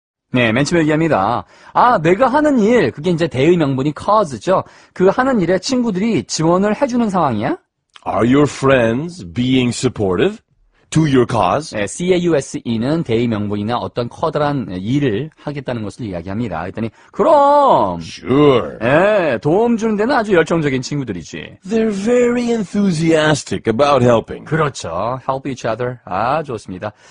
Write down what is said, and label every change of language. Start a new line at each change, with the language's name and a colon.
Korean: 네, 맨 처음에 얘기합니다. 아, 내가 하는 일, 그게 이제 대의 명분이 cause죠. 그 하는 일에 친구들이 지원을 해주는 상황이야?
English: Are your friends being supportive to your cause?
Korean: 네, cause는 대의 명분이나 어떤 커다란 일을 하겠다는 것을 이야기합니다. 그랬더니, 그럼!
English: Sure.
Korean: 네, 도움 주는 데는 아주 열정적인 친구들이지.
English: They're very enthusiastic about helping.
Korean: 그렇죠.
English: Help each other.
Korean: 아, 좋습니다.